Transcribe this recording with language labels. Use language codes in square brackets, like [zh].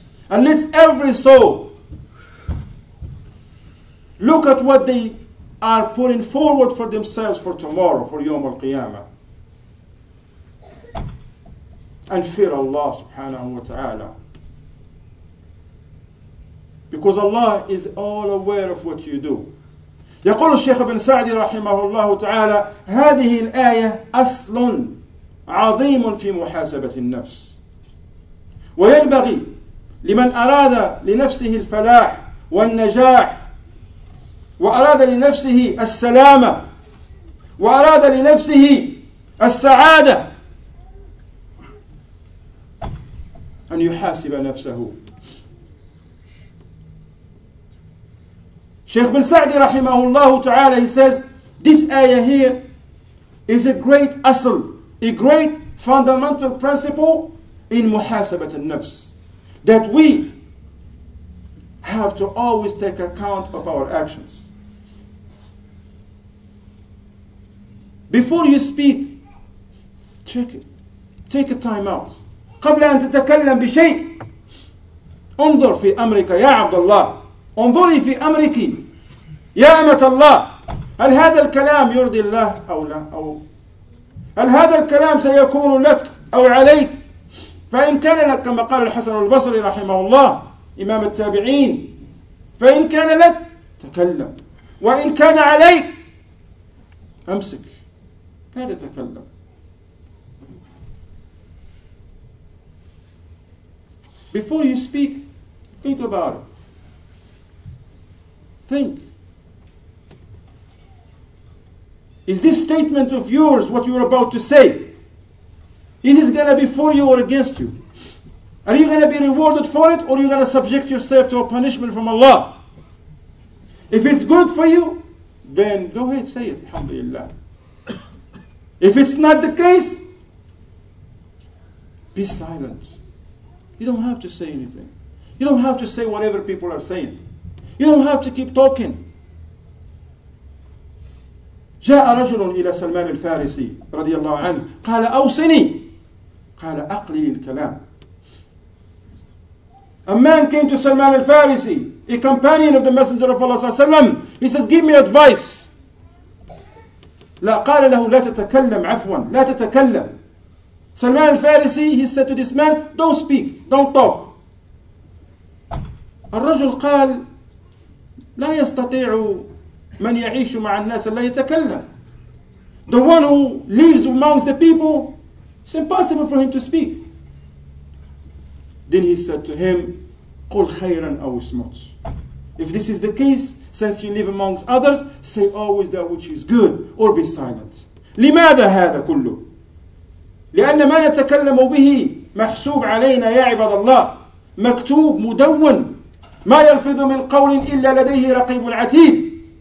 [en] And let every soul look at what they are putting forward for themselves for tomorrow, for Yawm al-Qiyamah. And fear Allah subhanahu wa ta'ala. Because Allah is all aware of what you do. [ar] يقول الشيخ بن سعدي رحمه الله تعالى: هذه الآية أصل عظيم في محاسبة النفس, وينبغي لمن أراد لنفسه الفلاح والنجاح, وأراد لنفسه السلامة, وأراد لنفسه السعادة, أن يحاسب نفسه. [en] Sheikh bin Sa'di rahimahullah ta'ala, he says, this ayah here is a great asl, a great fundamental principle in muhasabat al-nafs, that we have to always take account of our actions. Before you speak, check it. Take a time out. [ar] قبل أن تتكلم بشيء, انظر في أمرك يا عبد الله, انظري في أمرك يا أمة الله, هل هذا الكلام يرضي الله أو لا, أو هل هذا الكلام سيكون لك أو عليك. فإن كان لك, كما قال الحسن البصري رحمه الله إمام التابعين, فإن كان لك تكلم, وإن كان عليك أمسك لا تتكلم. [en] Before you speak, think about it. Think. Is this statement of yours, what you're about to say, is it going to be for you or against you? Are you going to be rewarded for it, or are you going to subject yourself to a punishment from Allah? If it's good for you, then go ahead, say it, alhamdulillah. If it's not the case, be silent. You don't have to say anything. You don't have to say whatever people are saying. You don't have to keep talking. [ar] جاء رجل إلى سلمان الفارسي رضي الله عنه قال أوصني قال أقلل الكلام. [en] A man came to Salman al-Farisi, a companion of the Messenger of Allah [ar] صلى الله عليه وسلم. [en] He says, give me advice. [ar] لا, قال له لا تتكلم عفوا, لا تتكلم. [en] Salman al-Farisi, he said to this man, don't speak, don't talk. [ar] الرجل قال لا يستطيع من يعيش مع الناس لا يتكلم. [en] The one who lives amongst the people, it's impossible for him to speak. Then he said to him, [ar] قل خيرا أو اسمت. [en] If this is the case, since you live amongst others, say always that which is good, or be silent. [ar] لماذا هذا كله؟ لأن ما نتكلم به محسوب علينا يا عباد الله, مكتوب مدون, ما يلفظ من قول إلا لديه رقيب عتيد.